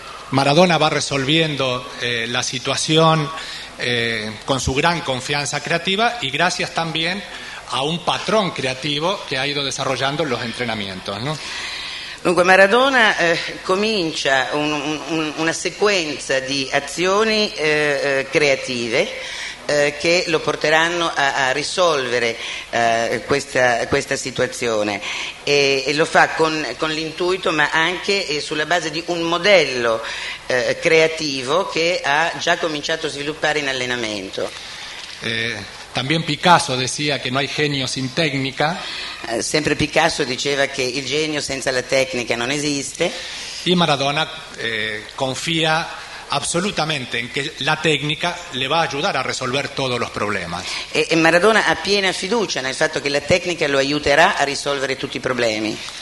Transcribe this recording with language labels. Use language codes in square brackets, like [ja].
[es] Maradona va resolviendo la situación con su gran confianza creativa y gracias también a un patrón creativo que ha ido desarrollando en los entrenamientos, ¿no? [it] Dunque Maradona comincia una secuenza di azioni creative che lo porteranno a risolvere questa situazione e lo fa con l'intuito ma anche sulla base di un modello creativo che ha già cominciato a sviluppare in allenamento. [es] También Picasso decía que no hay genio sin técnica. [it] Sempre Picasso diceva che il genio senza la tecnica non esiste. [es] Y Maradona confía absolutamente en que la técnica le va a ayudar a resolver todos los problemas. [it] E Maradona ha piena fiducia nel fatto che la tecnica lo aiuterà a risolvere tutti i problemi.